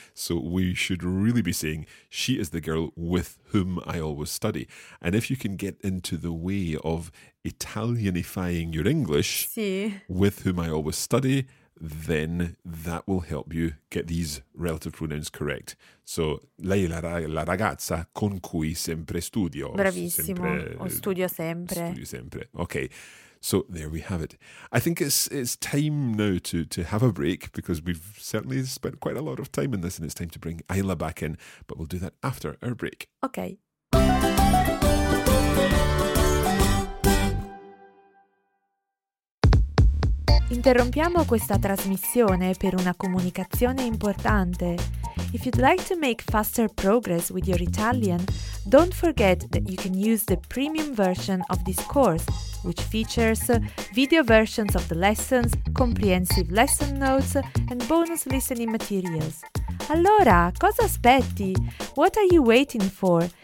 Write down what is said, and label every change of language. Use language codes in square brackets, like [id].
[en] So we should really be saying, she is the girl with whom I always study. And if you can get into the way of Italianifying your English, [it] sì, [en] with whom I always study, then that will help you get these relative pronouns correct. [it] So, lei è la ragazza con cui sempre studio. Bravissimo. Studio sempre. [en] Okay. So there we have it. I think it's time now to have a break, because we've certainly spent quite a lot of time in this, and it's time to bring Ayla back in. But we'll do that after our break. Okay. [it] Interrompiamo questa trasmissione per una comunicazione importante. [en] If you'd like to make faster progress with your Italian, don't forget that you can use the premium version of this course, which features video versions of the lessons, comprehensive lesson notes, and bonus listening materials. [it] Allora, cosa aspetti? [en] What are you waiting for?